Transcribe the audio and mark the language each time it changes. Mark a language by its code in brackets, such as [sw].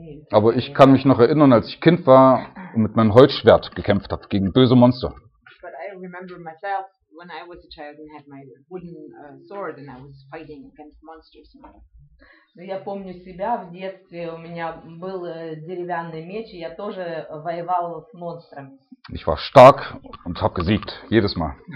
[de] Aber ich kann mich noch erinnern, als ich Kind war und mit meinem Holzschwert gekämpft habe gegen böse Monster. [en] But I remember myself when I was a child and had my wooden sword and I was fighting against monsters. [ru] Я помню себя в детстве, у меня был деревянный меч, и я тоже воевал с монстрами. [de] Ich war stark und habe gesiegt jedes Mal.